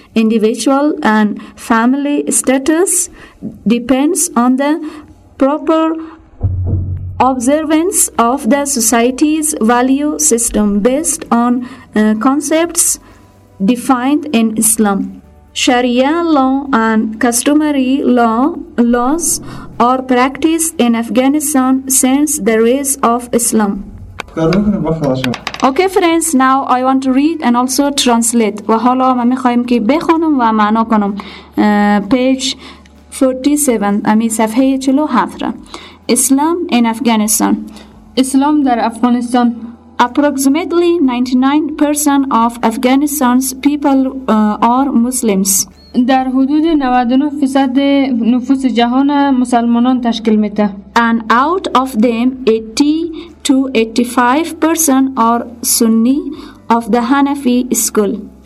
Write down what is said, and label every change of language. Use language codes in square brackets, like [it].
[en] Individual and family status depends on the proper observance of the society's value system based on concepts defined in Islam. Sharia law and customary laws are practiced in Afghanistan since the rise of Islam. Okay, friends, now I want to read and also translate. [fa] و حالا ما میخوایم که بخونم و معنا کنم. [en] Page 47. [fa] امی صفحه 47. [en] Islam in Afghanistan. [fa] Islam در افغانستان. [en] Approximately 99% of Afghanistan's people are Muslims. [fa] در حدود 99% نفوس جهان مسلمانان تشکیل می‌ده. [en] And out of them, 80 to 85% are Sunni of the Hanafi school.